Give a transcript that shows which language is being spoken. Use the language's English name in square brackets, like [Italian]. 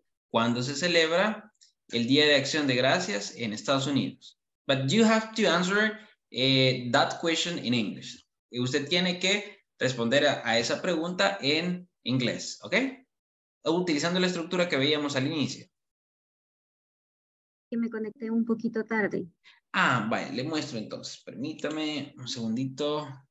[Spanish] ¿Cuándo se celebra el Día de Acción de Gracias en Estados Unidos? [English] But you have to answer that question in English. [Spanish] Y usted tiene que responder a esa pregunta en inglés, ¿ok? Utilizando la estructura que veíamos al inicio. Que me conecté un poquito tarde. Ah, vale, le muestro entonces. Permítame un segundito.